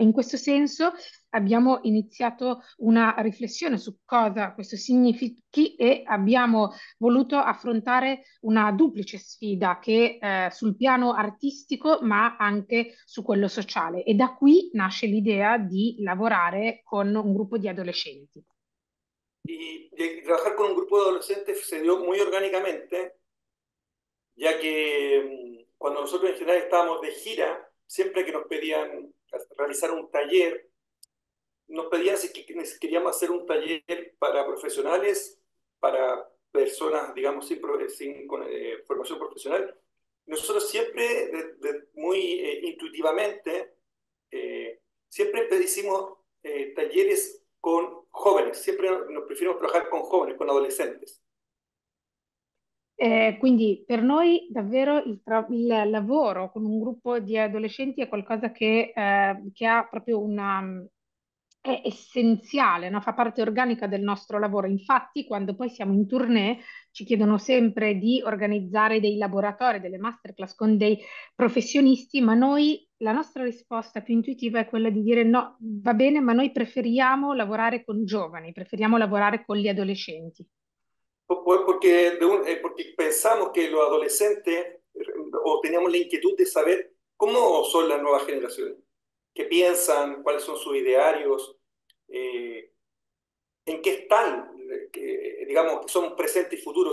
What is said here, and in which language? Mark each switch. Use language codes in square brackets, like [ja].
[it] E in questo senso abbiamo iniziato una riflessione su cosa questo significhi e abbiamo voluto affrontare una duplice sfida che sul piano artistico ma anche su quello sociale. E da qui nasce l'idea di lavorare con un gruppo di adolescenti. [es] Y de trabajar con un grupo de adolescentes se dio muy orgánicamente, ya que cuando nosotros en general estábamos de gira, siempre que nos pedían realizar un taller, nos pedían si queríamos hacer un taller para profesionales, para personas, digamos, sin formación profesional. Nosotros siempre, muy intuitivamente, siempre pedimos talleres con jóvenes, siempre nos preferimos trabajar con jóvenes, con adolescentes. [it] Quindi per noi davvero il lavoro con un gruppo di adolescenti è qualcosa che ha proprio è essenziale, no? Fa parte organica del nostro lavoro. Infatti, quando poi siamo in tournée, ci chiedono sempre di organizzare dei laboratori, delle masterclass con dei professionisti, ma noi la nostra risposta più intuitiva è quella di dire no, va bene, ma noi preferiamo lavorare con giovani, preferiamo lavorare con gli adolescenti. [es] Porque pensamos que los adolescentes, o teníamos la inquietud de saber cómo son las nuevas generaciones, qué piensan, cuáles son sus idearios, en qué están, digamos, que son presente y futuro.